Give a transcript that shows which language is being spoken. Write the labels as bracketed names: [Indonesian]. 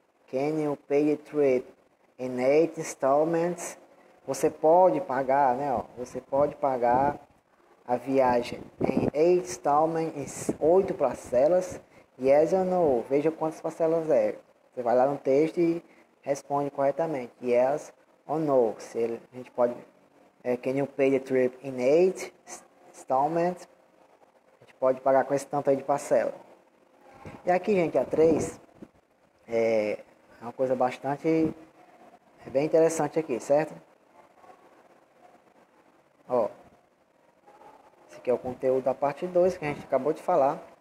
[English] Can you pay the trip in 8 installments? [Portuguese] Você pode pagar, né, ó, você pode pagar a viagem em 8 installments, em 8 parcelas. [English] Yes or no? [Portuguese] Veja quantas parcelas é. Você vai lá no texto e responde corretamente. [English] Yes or no? [Portuguese] Se a gente pode. [English] Can you pay the trip in 8 installments? [Portuguese] A gente pode pagar com esse tanto aí de parcela. E aqui, gente, a 3 é uma coisa bastante. É bem interessante aqui, certo? Ó, esse aqui é o conteúdo da parte 2 que a gente acabou de falar.